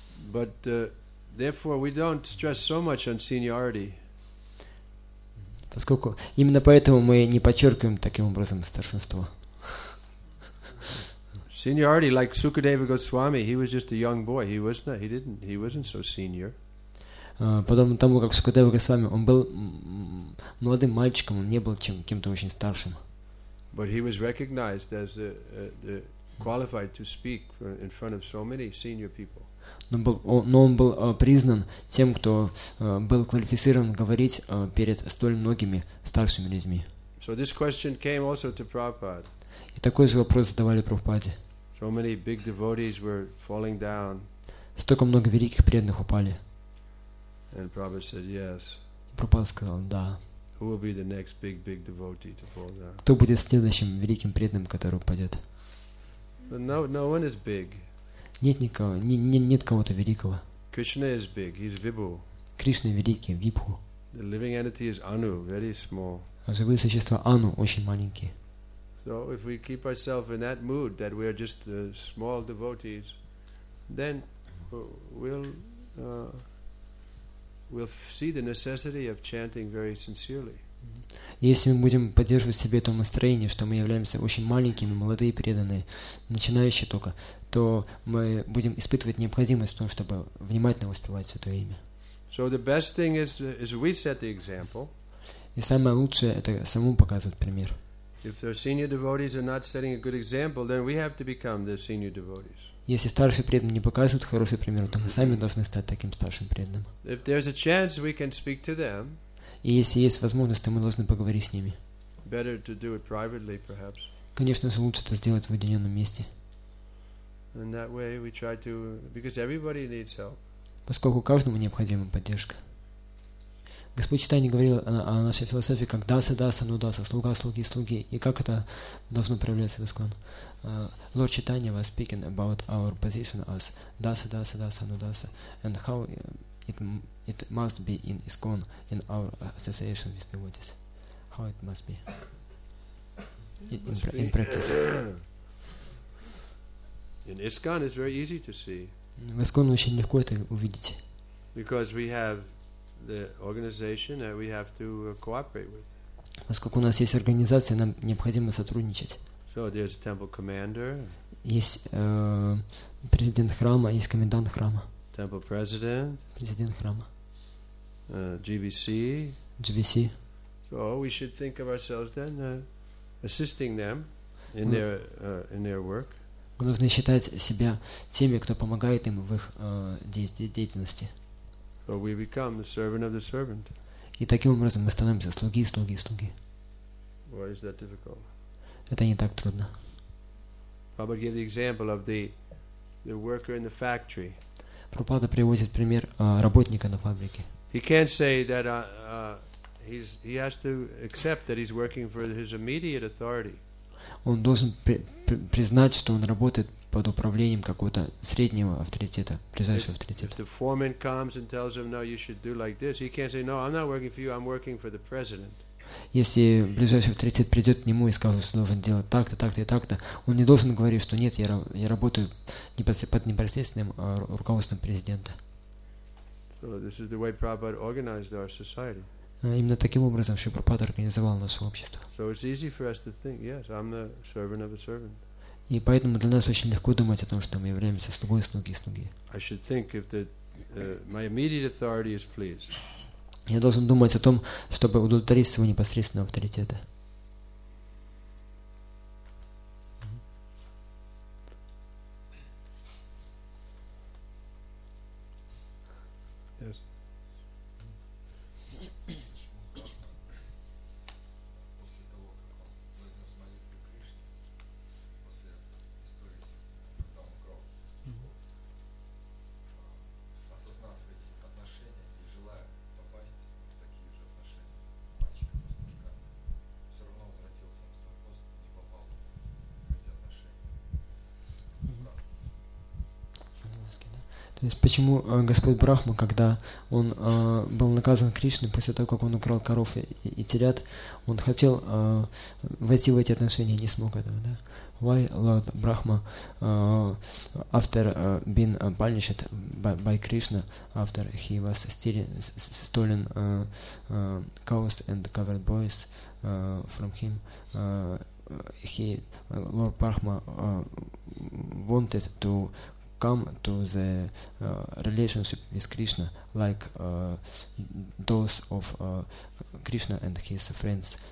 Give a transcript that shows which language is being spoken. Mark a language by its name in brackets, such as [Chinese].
[English] But therefore, we don't stress so much on seniority. [Russian] Поскольку именно поэтому мы не подчеркиваем таким образом старшинство. [English] Seniority, like Sukadeva Goswami, he was just a young boy. He wasn't so senior. [Russian] Потом тому, как Сукадева Госвами, он был молодым мальчиком, он не был кем-то очень старшим. [English] But he was recognized as the qualified to speak in front of so many senior people. [Russian] Но он был признан тем, кто был квалифицирован говорить перед столь многими старшими людьми. [English] So this question came also to Prabhupada. [Russian] И такой же вопрос задавали Прабхупаде. [English] So many big devotees were falling down. [Russian] Столько много великих преданных упали. [English] And Prabhupada said, "Yes." [Russian] Prabhupada сказал, да. [English] Who will be the next big devotee to fall down? [Russian] Кто будет следующим великим преданным, который упадет? [English] But no one is big. [Russian] Нет никого, нет кого-то великого. [English] Krishna is big. He's Vibhu. [Russian] Кришна великий, Вибху. [English] The living entity is Anu, very small. [Russian] А живые существа Ану очень маленькие. [English] So if we keep ourselves in that mood that we are just small devotees, then we'll see the necessity of chanting very sincerely. [Russian] Если мы будем поддерживать в себе то настроение, что мы являемся очень маленькими, молодые преданные, начинающие только, то мы будем испытывать необходимость в том, чтобы внимательно воспевать Святое Имя. [English] So the best thing is we set the example. [Russian] И самое лучшее это самому показывать пример. [English] If the senior devotees are not setting a good example, then we have to become the senior devotees. [Russian] Если старшие преданные не показывают хороший пример, то мы сами должны стать таким старшим преданным. [English] If there's a chance, we can speak to them. [Russian] И если есть возможность, то мы должны поговорить с ними. [English] Better to do it privately, perhaps. [Russian] Конечно, лучше это сделать в уединенном месте. [English] And that way we try to, because everybody needs help. [Russian] Поскольку каждому необходима поддержка. Господь Читания говорил о нашей философии как даса, даса, ну даса, слуга, слуги, слуги. И как это должно проявляться в Искон? [English] Lord Chaitanya was speaking about our position as dasa, dasa, dasa, [Russian] ну даса, [English] and how it must be in Искон, in our association with devotees. How it must be in practice. In Искон is very easy to see. [Russian] В Искон очень легко это увидеть. [English] Because we have the organization that we have to cooperate with. [Russian] Поскольку у нас есть организация, нам необходимо сотрудничать. [English] So there's temple commander. [Russian] Есть президент храма, есть комендант храма. [English] Temple president. [Russian] Президент храма. [English] GBC. [Russian] GBC. [English] So we should think of ourselves then assisting them in their work. [Russian] Мы должны считать себя теми, кто помогает им в их деятельности. [English] So we become the servant of the servant. [Russian] И таким образом мы становимся слуги, слуги, слуги. [English] Why is that difficult? [Russian] Это не так трудно. [English] Prabhupada gave the example of the worker in the factory. [Russian] Прабхупада приводит пример работника на фабрике. [English] He can't say that he has to accept that he's working for his immediate authority. [Russian] Он должен признать, что он работает под управлением какого-то среднего авторитета, ближайшего авторитета. [English] If the foreman comes and tells him, no, you should do like this, he can't say, no, I'm not working for you, I'm working for the president. [Russian] Если ближайший авторитет придет к нему и скажет, что должен делать так-то, так-то и так-то, он не должен говорить, что нет, я работаю не под непосредственным руководством президента. [English] So this is the way Prabhupada organized our society. [Russian] Именно таким образом Шри Прабхупада организовал наше общество. [English] So it's easy for us to think, yes, I'm the servant of a servant. [Russian] И поэтому для нас очень легко думать о том, что мы являемся слугой, слуги, слуги. [English] I should think if the, my immediate authority is pleased. [Russian] Я должен думать о том, чтобы удовлетворить своего непосредственного авторитета. То есть почему Господь Брахма, когда он был наказан Кришной после того, как он украл коров и телят, он хотел войти в эти отношения, не смог этого, да? [English] Why Lord Brahma, after being punished by Krishna, after he was stolen cows and covered boys from him, he, Lord Brahma, wanted to come to the relationship with Krishna, like those of Krishna and his friends.